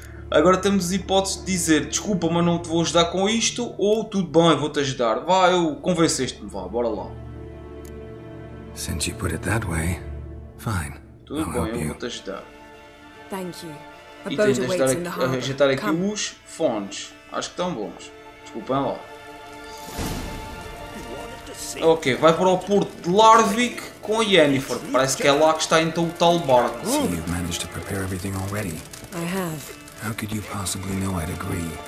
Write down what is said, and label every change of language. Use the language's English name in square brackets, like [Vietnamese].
[Portuguese] Agora temos a hipótese de dizer: desculpa, mas não te vou ajudar com isto. Ou tudo bem, eu vou-te ajudar. Vá, eu convenceste-me, vá, bora lá. [English] Since you put it that way, fine. [Portuguese] Tudo [English] I'll [Portuguese] bem, eu vou-te ajudar. [English] Thank you. [Portuguese] E tens de ajudar aqui, a ajeitar aqui os fones. Acho que estão bons. Desculpem lá. Ok, vai para o porto de Larvik com a Yennefer. Parece que é lá que está então o tal barco. [English] So you've managed to prepare everything already. I have. How could you possibly know I'd agree?